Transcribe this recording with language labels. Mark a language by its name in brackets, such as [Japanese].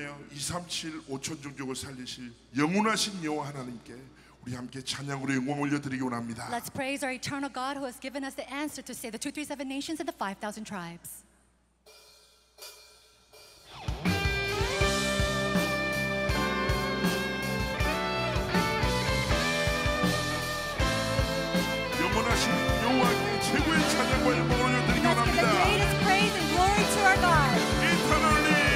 [Korean] 5천 종족을 살리실 영원하신 여호와 하나님께 우리 함께 찬양으로 영광 올려드리기 원합니다. [English] Let's praise our eternal God who has given us the answer to save the 237 nations and the 5,000 tribes. [Korean] 영원하신 여호와께 최고의 찬양과 영광 올려드리기 [English] Let's [Korean] 원합니다. [English] Let's give the greatest praise and glory to our God.